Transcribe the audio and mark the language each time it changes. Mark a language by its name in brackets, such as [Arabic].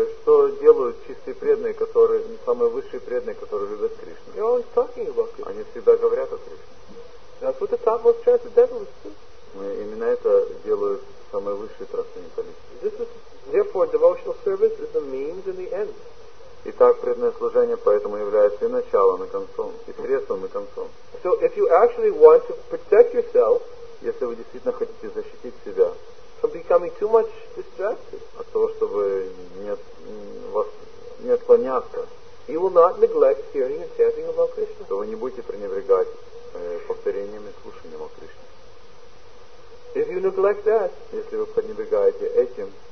[Russian] Что делают чистые преданные, которые самые высшие преданные, которые любят Кришну? [English] They're always talking about Krishna. [Russian] Они всегда говорят о Кришне. [English] That's what the topmost transcendentalists do. [Russian] Именно это делают самые высшие трансценденталисты. [English] This is therefore devotional service is the means and the end. [Russian] Итак, преданное служение поэтому является и началом, и концом, и средством, и концом. [English] So if you actually want to protect yourself, [Russian] если вы действительно хотите защитить себя. [English] From becoming too much distracted. [Russian] От того, чтобы вас не отклоняться. [English] You will not neglect hearing and chanting about Krishna. [Russian] То вы не будете пренебрегать повторением и слушанием о Кришне. [English] If you neglect that, [Russian] если вы пренебрегаете этим,